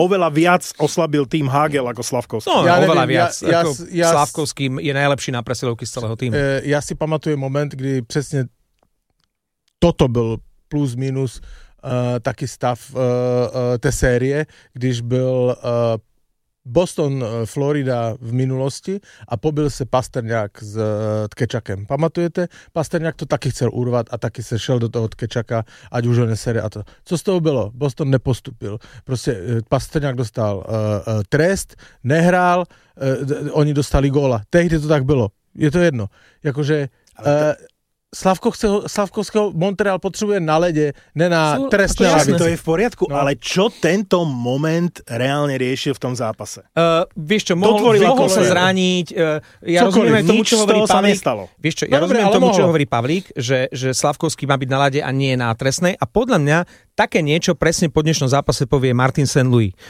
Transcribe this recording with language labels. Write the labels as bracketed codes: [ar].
[sk] Oveľa viac oslabil tým Hagel ako Slavkovský. No, ja oveľa neviem, viac. Slavkovský je najlepší na presilovky z celého týmu. [cs] Ja si pamatujem moment, kdy presne toto bol plus minus taký stav té série, když byl Boston, Florida v minulosti a pobil se Pasterňák s Tkečakem. Pamatujete? Pasterňák to taky chcel urvat a taky se šel do toho Tkečaka, ať už ho nesere a to. Co z toho bylo? Boston nepostupil. Prostě Pasterňák dostal trest, nehrál, oni dostali góla. Tehdy to tak bylo. Je to jedno. Jakože... Slavkovského Montreal potřebuje na ledě, ne na trestné [sk] lavice. To je v poriadku, no. Ale čo tento moment reálne riešil v tom zápase? Vieš čo, mohol sa zraniť, ja rozumiem aj tomu, čo hovorí Pavlík. Vieš čo, čo hovorí Pavlík, že Slavkovský má byť na ľade a nie na trestnej a podľa mňa také niečo presne po dnešnom zápase povie Martin Saint-Louis.